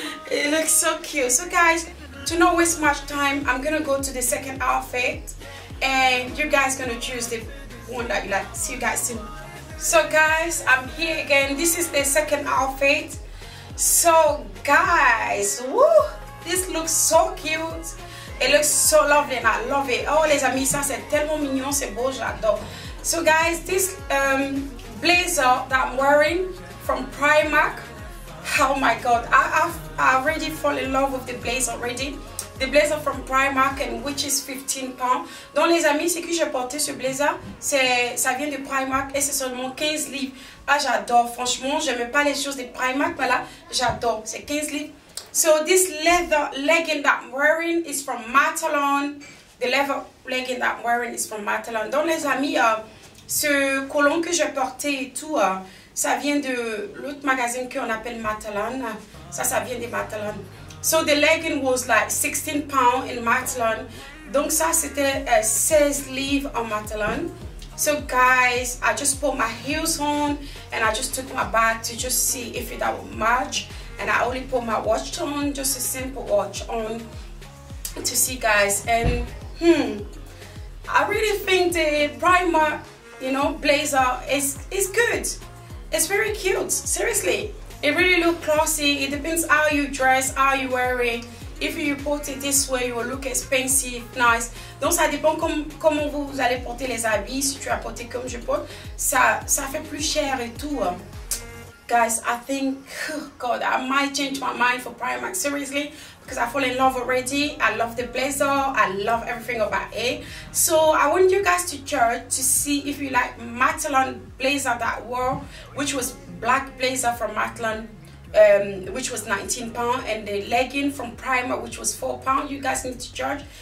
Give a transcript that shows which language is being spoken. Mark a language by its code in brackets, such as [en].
[en] It looks so cute. So guys, to not waste much time, I'm gonna go to the second outfit and you guys gonna choose the one that you like. See you guys soon. So guys, I'm here again. This is the second outfit. So guys, woo, this looks so cute. It looks so lovely and I love it. [fr] Oh, les amis, ça c'est tellement mignon, c'est beau, j'adore. [en] So guys, this blazer that I'm wearing from Primark, oh my God, I already fall in love with the blazer already. The blazer from Primark, and which is £15. [fr] Donc les amis, c'est que j'ai porté ce blazer, ça vient de Primark et c'est seulement 15 livres. Ah, j'adore, franchement, j'aime pas les choses de Primark, mais là, j'adore, c'est 15 livres. [en] So this leather legging that I'm wearing is from Matalan. The leather legging that I'm wearing is from Matalan. [fr] Donc les amis, ce colon que j'ai porté et tout, ça vient de l'autre magasin qu'on appelle Matalan. Ça vient de Matalan. [en] So the legging was like £16 in Matalan. [fr] Donc ça c'était 16 livres en Matalan. [en] So guys, I just put my heels on and I just took my bag to just see if it would match. And I only put my watch on, just a simple watch on to see, guys. And I really think the Primark, you know, blazer is good. It's very cute, seriously. It really looks classy. It depends how you dress, how you wear it. If you put it this way, you will look expensive, nice. [fr] Donc ça dépend comment vous allez porter les habits. Si tu as porté comme je porte, ça fait plus cher et tout. [en] Guys, I think, God, I might change my mind for Primark, seriously, because I fall in love already. I love the blazer. I love everything about it. So I want you guys to judge to see if you like Matalan blazer that wore, which was black blazer from Matalan, which was £19, and the legging from Primark, which was £4. You guys need to judge.